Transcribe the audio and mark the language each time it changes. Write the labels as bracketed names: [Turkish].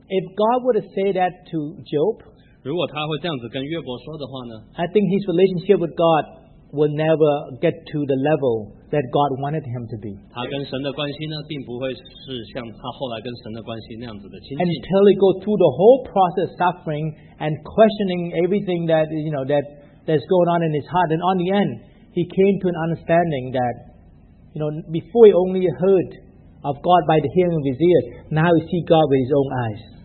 [English] If God would have said that to Job, [Chinese] 如果他会这样子跟约伯说的话呢, [English] I think his relationship with God would never get to the level that God wanted him to be. [Chinese] 他跟神的关系呢，并不会是像他后来跟神的关系那样子的亲近。 [English] Until he goes through the whole process of suffering and questioning everything that you know that's going on in his heart, and on the end, he came to an understanding that, you know, before he only heard of God by the hearing of his ears, now he sees God with his own eyes.